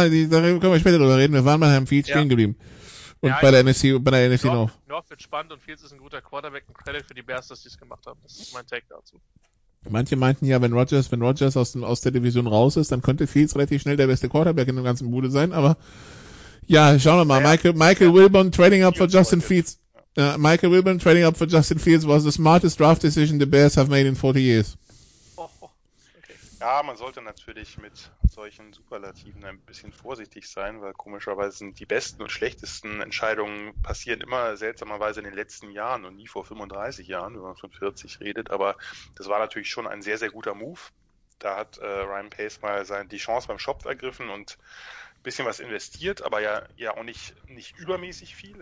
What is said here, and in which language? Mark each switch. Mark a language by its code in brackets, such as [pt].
[de] Wir waren bei Herrn Fields stehen geblieben. Und ja, bei der NFC noch. North wird spannend und Fields ist ein guter Quarterback, ein Credit für die Bears, dass sie es gemacht haben. Das ist mein Take dazu. Manche meinten ja, wenn Rodgers aus der Division raus ist, dann könnte Fields relativ schnell der beste Quarterback in dem ganzen Bude sein, aber ja, schauen wir mal. [en] Michael Wilburn trading up for Justin Fields. Michael Wilburn trading up for Justin Fields was the smartest draft decision the Bears have made in 40 years. Okay. [de] Ja, man sollte natürlich mit solchen Superlativen ein bisschen vorsichtig sein, weil komischerweise sind die besten und schlechtesten Entscheidungen passieren immer seltsamerweise in den letzten Jahren und nie vor 35 Jahren, wenn man von 40 redet. Aber das war natürlich schon ein sehr, sehr guter Move. Da hat Ryan Pace mal die Chance beim Schopf ergriffen und bisschen was investiert, aber ja auch nicht übermäßig viel.